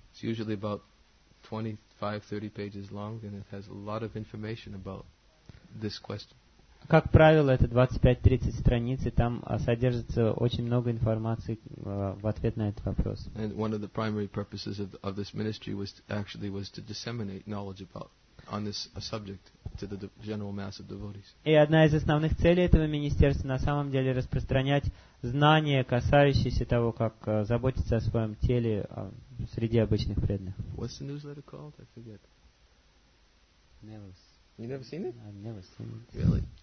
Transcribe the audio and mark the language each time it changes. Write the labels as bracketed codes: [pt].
[en] It's usually about 25-30 pages long, and it has a lot of information about this question. [ru] Как правило, это 25-30 страниц, и там содержится очень много информации в ответ на этот вопрос. [en] And one of the primary purposes of this ministry was to disseminate knowledge about on this subject to the general mass of devotees. [ru] И одна из основных целей этого министерства на самом деле распространять знания, касающиеся того, как заботиться о своем теле среди обычных преданных. [en] What's the newsletter called? I forget. Never. You never seen it? I've never seen it. Really?